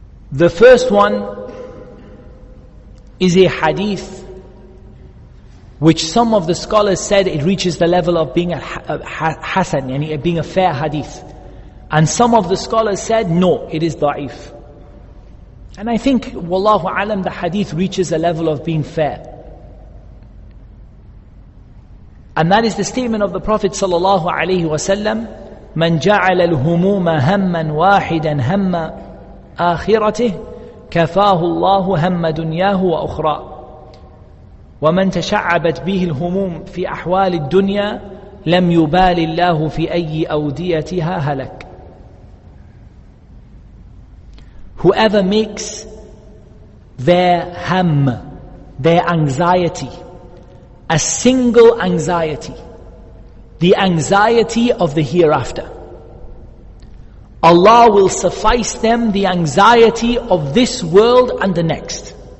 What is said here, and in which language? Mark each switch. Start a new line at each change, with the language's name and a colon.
English: The first one is a hadith which some of the scholars said it reaches the level of being a hasan, yani being a fair hadith. And some of the scholars said, no, it is da'if. And I think, wallahu alam, the hadith reaches a level of being fair. And that is the statement of the Prophet sallallahu alayhi wa sallam,
Arabic: مَنْ جَعَلَ الْهُمُومَ هَمَّا وَاحِدًا هَمَّا آخِرَتِهِ كَفَاهُ اللَّهُ هَمَّ دُنْيَاهُ وَأُخْرَى وَمَنْ تَشَعَّبَتْ بِهِ الْهُمُومَ فِي أَحْوَالِ الدُّنْيَا لَمْ يُبَالِ اللَّهُ فِي أَيِّ أَوْدِيَتِهَا هَلَكَ.
English: Whoever makes their ham, their anxiety, a single anxiety, the anxiety of the hereafter, Allah will suffice them the anxiety of this world and the next.